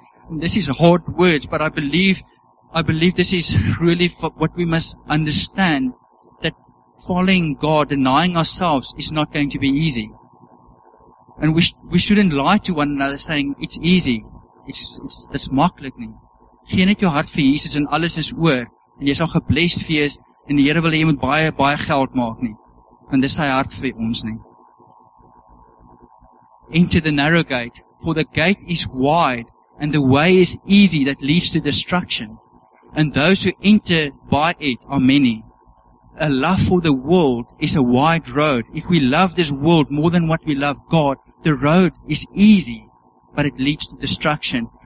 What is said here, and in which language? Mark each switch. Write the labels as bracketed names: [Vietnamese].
[English] This is hard words, but I believe this is really what we must understand, that following God, denying ourselves, is not going to be easy. And we shouldn't lie to one another saying, it's easy. It's [Afrikaans] maklik nie. Gee net jou hart vir Jesus en alles is oor, en jy sal geblest wees, en die Here wil hê jy moet baie, baie geld maak nie. Want dis sy hart vir ons nie. [English] Enter the narrow gate, for the gate is wide, and the way is easy that leads to destruction. And those who enter by it are many. A love for the world is a wide road. If we love this world more than what we love God, the road is easy, but it leads to destruction.